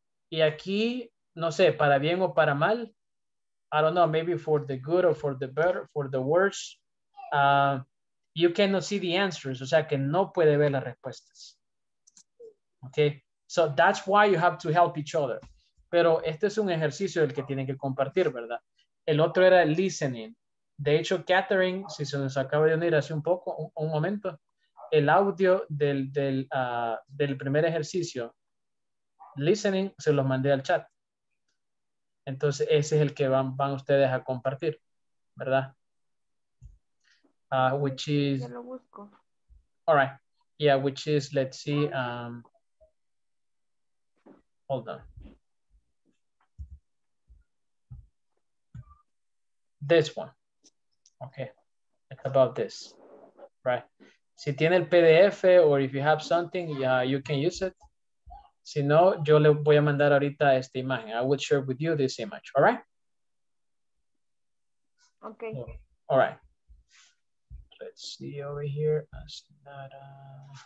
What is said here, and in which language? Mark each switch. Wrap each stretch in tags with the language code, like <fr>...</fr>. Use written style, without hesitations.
<es>Y aquí, no sé, para bien o para mal.</es> <en>I don't know, maybe for the good or for the better, for the worse. You cannot see the answers.</en> <es>O sea, que no puede ver las respuestas.</es> <en>Okay? So that's why you have to help each other.</en> <es>Pero este es un ejercicio el que tienen que compartir, ¿verdad? El otro era listening. De hecho, Catherine, si se nos acaba de unir hace un poco, un momento, el audio del primer ejercicio, listening, se los mandé al chat. Entonces, ese es el que van ustedes a compartir, ¿verdad?</es> <en>Which is...</en> <es>Ya lo busco.</es> <en>All right. Yeah, which is, let's see. Hold on. This one, okay, it's about this, right?</en> <es>Si tiene el PDF,</es> <en>or if you have something, yeah, you can use it.</en> <es>Si no, yo le voy a mandar ahorita esta imagen.</es> <en>I will share with you this image, all right? Okay. All right. Let's see over here. Asinara.</en>